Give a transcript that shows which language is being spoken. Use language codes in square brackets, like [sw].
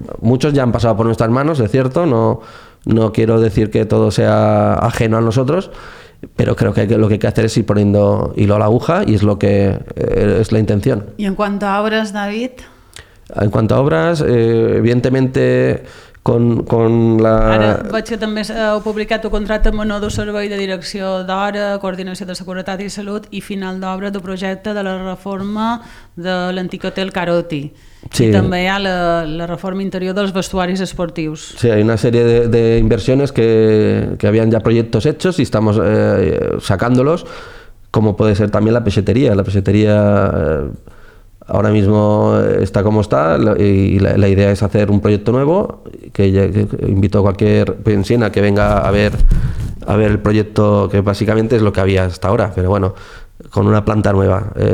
[es] Muchos ya han pasado por nuestras manos, es cierto, no quiero decir que todo sea ajeno a nosotros, pero creo que lo que hay que hacer es ir poniendo hilo a la aguja, y es lo que es la intención. ¿Y en cuanto a obras, David? En cuanto a obras, evidentemente con la... [ca] Ara vaig que també heu publicat el contracte menor de servei de direcció d'hora, coordinació de seguretat i salut i final d'obra del projecte de la reforma de l'antic hotel Caroti. Sí. I també hi ha la reforma interior dels vestuaris esportius. Sí, hi ha una sèrie de inversions que havien ja projectes hechos i estem sacándolos, com pot ser també la peixeteria. [es] La peixeteria ahora mismo está como está, y la idea es hacer un proyecto nuevo, que invito a cualquier pensiona que venga a ver el proyecto, que básicamente es lo que había hasta ahora, pero bueno, con una planta nueva.